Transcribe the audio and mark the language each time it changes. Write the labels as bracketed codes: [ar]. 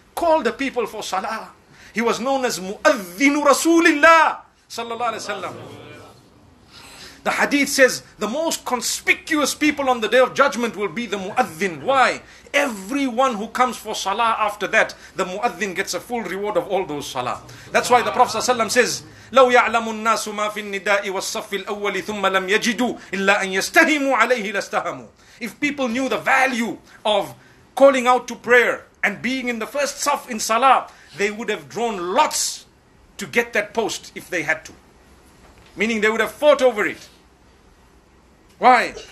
[en] Call the people for salah. He was known as Mu'adhinu Rasulillah sallallahu alaihi wasallam. The hadith says the most conspicuous people on the day of judgment will be the Mu'adhin. Why? Everyone who comes for salah after that, the Mu'adhin gets a full reward of all those salah. That's why the Prophet says, [ar] لَوْ يَعْلَمُ النَّاسُ مَا فِي النِّدَاءِ وَالصَّفِّ الْأَوَّلِ ثُمَّ لَمْ يَجِدُوا إِلَّا أَنْ يَسْتَهِمُوا عَلَيْهِ لَاسْتَهَمُوا. [en] If people knew the value of calling out to prayer and being in the first saf in salah, they would have drawn lots to get that post if they had to. Meaning they would have fought over it. Why?